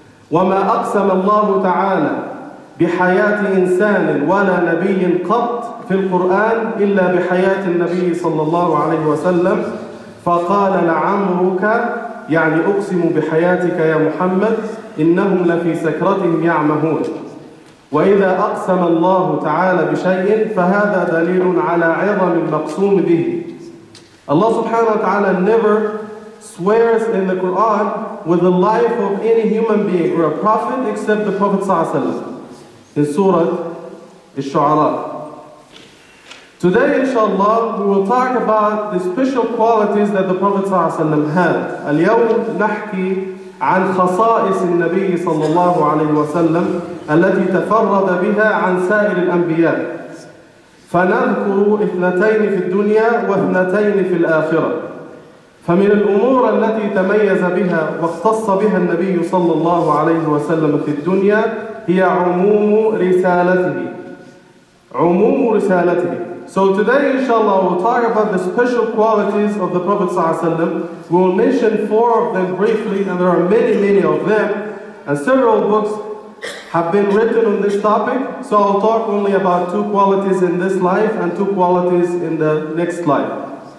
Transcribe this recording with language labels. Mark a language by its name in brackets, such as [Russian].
[Arabic] وما أقسم الله تعالى بحياة إنسان ولا نبي قط في القرآن إلا بحياة النبي صلى الله عليه وسلم، فقال لعمرك، يعني أقسم بحياتك يا محمد، إنهم لفي سكرتهم يعمهون. وإذا أقسم الله تعالى بشيء فهذا دليل على عظم المقسوم به. [English] الله سبحانه وتعالى never swears in the Quran with the life of any human being or a prophet except the Prophet صلى الله عليه وسلم. In Surah Al-Shu'ara. Today, inshallah, we will talk about the special qualities that the Prophet ﷺ had. [Arabic] اليوم نحكي عن خصائص النبي صلى الله عليه وسلم التي تفرد بها عن سائر الأنبياء. فنذكر اثنتين في الدنيا واثنتين في الآخرة. فمن الأمور التي تميز بها واختص بها النبي صلى الله عليه وسلم في الدنيا هي عموم رسالته. عموم رسالته. [English] So today, inshallah, we'll talk about the special qualities of the Prophet ﷺ. We'll mention four of them briefly, and there are many, many of them. And several books have been written on this topic. So I'll talk only about two qualities in this life and two qualities in the next life.